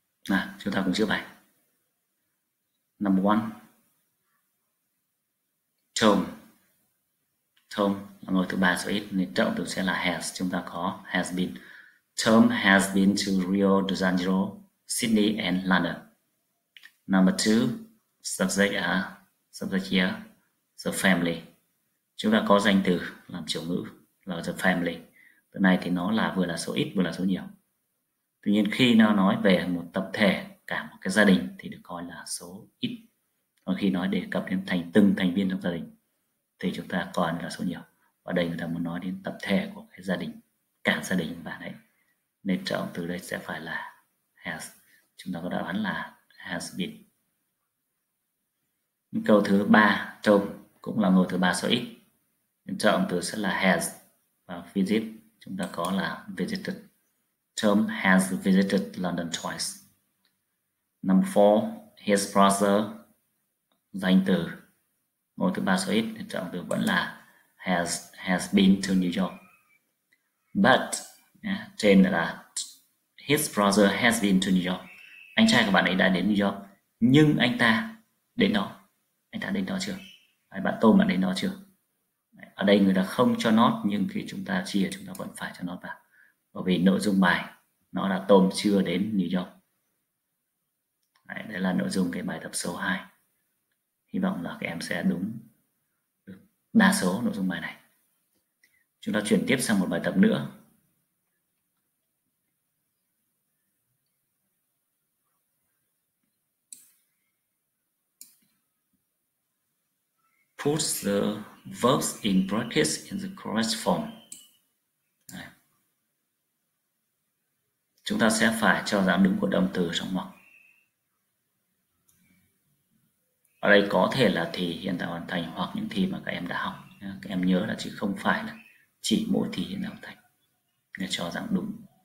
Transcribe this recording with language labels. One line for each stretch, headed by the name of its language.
Vietnamese: Nào, chúng ta cùng chữa bài.
English: Number one,
Vietnamese: Tom. Tom là ngôi thứ ba số ít nên động từ sẽ là has. Chúng ta có has been.
English: Tom has been to Rio de Janeiro, Sydney and London. Number two, subject here, the family.
Vietnamese: Chúng ta có danh từ làm chủ ngữ là the family. Từ này thì nó là vừa là số ít vừa là số nhiều. Tuy nhiên khi nó nói về một tập thể, cả một cái gia đình thì được coi là số ít. Còn khi nói đề cập đến thành từng thành viên trong gia đình thì chúng ta còn là số nhiều. Và đây người ta muốn nói đến tập thể của cái gia đình, cả gia đình bạn ấy. Nên trợ từ đây sẽ phải là has. Chúng ta có đáp án là has been. Câu thứ 3, Tom cũng là ngôi thứ 3 số ít. Nên trợ từ sẽ là has. Và visit chúng ta có là
English: visited. Tom has visited London twice. Number 4, his brother,
Vietnamese: danh từ ngôi thứ 3 số ít, trợ từ vẫn là
English: has been to New York. But,
Vietnamese: trên là
English: his brother has been to New York.
Vietnamese: Anh trai của bạn ấy đã đến New York, nhưng anh ta đến đó. Anh ta đến đó chưa? Hay bạn Tom đã đến đó chưa? Ở đây người ta không cho not, nhưng khi chúng ta chia chúng ta vẫn phải cho not vào. Bởi vì nội dung bài nó là Tom chưa đến New York. Đấy là nội dung cái bài tập số 2. Hy vọng là các em sẽ đúng đa số nội dung bài này. Chúng ta chuyển tiếp sang một bài tập nữa.
English: Put the verbs in brackets in the correct form.
Vietnamese: Đấy. Chúng ta sẽ phải cho dạng đứng của động từ trong ngoặc. Ở đây có thể là thì hiện tại hoàn thành hoặc những thì mà các em đã học. Các em nhớ là chứ không phải là chỉ mỗi thì hiện tại hoàn thành để cho rằng đúng.